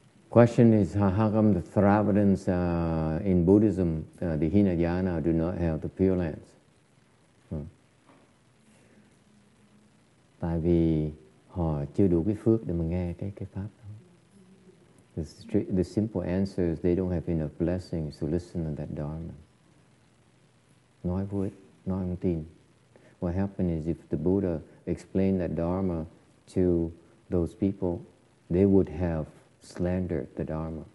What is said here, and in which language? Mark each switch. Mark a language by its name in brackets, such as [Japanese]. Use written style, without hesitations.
[English] Question is, how come the Theravadins in Buddhism, the Hinayana, do not have the Pure Lands? [Vietnamese] Tại vì họ chưa đủ cái phước để mà nghe cái pháp đó. [English] The simple answer is they don't have enough blessings to listen to that Dharma. [Vietnamese] Nói vui, nói không tin. [English] What happened is if the Buddha explained that Dharma to those people, they would have slander the Dharma.